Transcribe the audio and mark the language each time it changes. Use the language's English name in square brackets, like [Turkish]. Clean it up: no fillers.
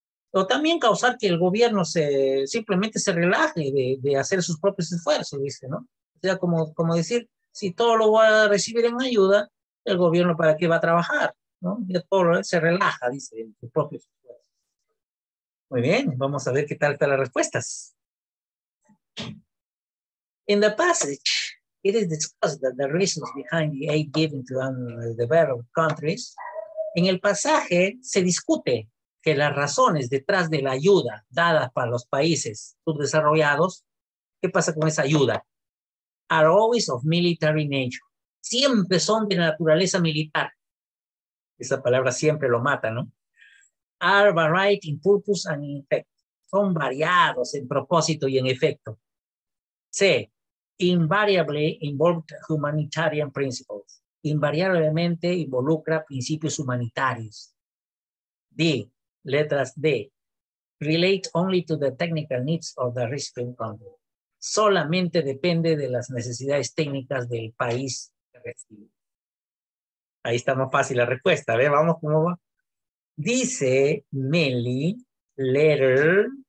[Spanish] O también causar que el gobierno simplemente se relaje de hacer sus propios esfuerzos, dice, ¿no? O sea, como decir, si todo lo va a recibir en ayuda, el gobierno para qué va a trabajar, ¿no? Ya todo se relaja, dice, en sus propios esfuerzos. Muy bien, vamos a ver qué tal están las respuestas. [English] In the passage, it is discussed that the reasons behind the aid given to underdeveloped countries. [Spanish] En el pasaje se discute que las razones detrás de la ayuda dada para los países subdesarrollados, ¿qué pasa con esa ayuda? [English] Are always of military nature. [Spanish] Siempre son de naturaleza militar. Esa palabra siempre lo mata, ¿no? [English] Are varied in purpose and in effect. [Spanish] Son variados en propósito y en efecto. C. [English] Invariably involved humanitarian principles. [Spanish] Invariablemente involucra principios humanitarios. D. Letras D. [English] Relate only to the technical needs of the recipient country. [Spanish] Solamente depende de las necesidades técnicas del país que recibe. Ahí está más fácil la respuesta. A ver, vamos, ¿cómo va? Dice Meli, letter